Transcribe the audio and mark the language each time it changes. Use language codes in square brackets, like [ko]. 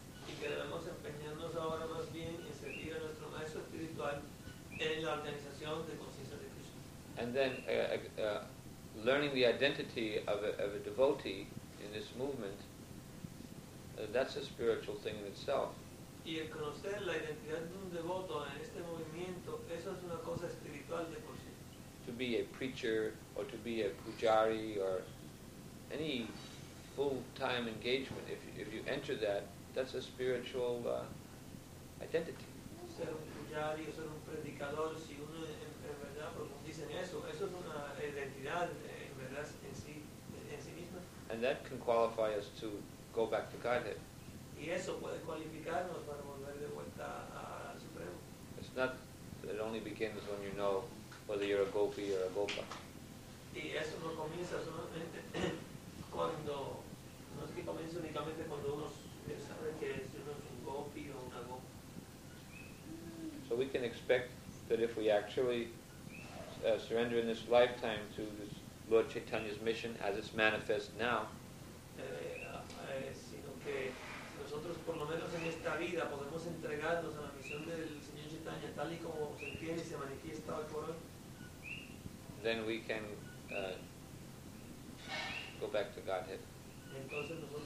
[es] Y queremos empeñarnos ahora más bien en servir a nuestro maestro espiritual en la organización de conciencia de Krishna. [en] And then learning the identity of a devotee in this movement, that's a spiritual thing in itself. [es] Y el conocer la identidad de un devoto en este movimiento, eso es una cosa espiritual de por sí. [en] To be a preacher or to be a pujari or any full-time engagement, if you enter that, that's a spiritual identity. [es] Ser un pujari o ser un predicador, si uno en verdad profundiza en eso, eso es una identidad en verdad en sí misma. [en] And that can qualify us to go back to Godhead. [es] Y eso puede cualificarnos para volver de cuenta al Supremo. [en] It's not that it only begins when you know whether you're a gopi or a gopa. [es] Y eso no comienza solamente cuando, no es que comienza únicamente cuando uno sabe que es uno un gopi o una gopa. [en] So we can expect that if we actually surrender in this lifetime to this Lord Chaitanya's mission as it's manifest now, then we can go back to Godhead.